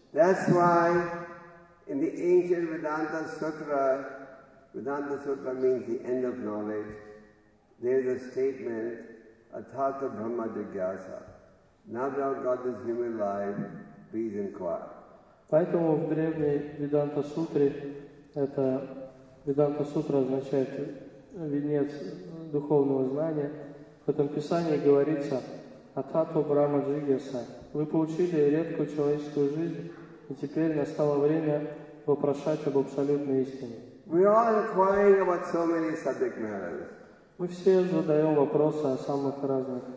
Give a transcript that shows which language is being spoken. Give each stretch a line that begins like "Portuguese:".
English: That's why in the ancient Vedanta Sutra, Vedanta Sutra means the end of knowledge. There is a statement,
Sanskrit: Athata Brahma Jagyasa.
English: Now that I've got this human life, please inquire.
Russian: Поэтому в древней Веданта Сутре, это Веданта Сутра означает венец духовного знания, в этом писании говорится,
Sanskrit: Атхату Брама Джигьяса,
Russian: вы получили редкую человеческую жизнь, и теперь настало время вопрошать об абсолютной истине.
English: We all inquiring about so many subject matters.
Russian: Мы все задаем вопросы о самых разных